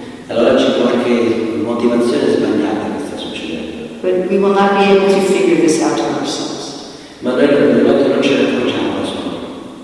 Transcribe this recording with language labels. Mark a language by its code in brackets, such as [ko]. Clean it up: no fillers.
[it] Allora c'è qualche motivazione sbagliata che sta succedendo. [en] But we will not be able to figure this out on ourselves. [it] Ma noi non ce la facciamo da soli.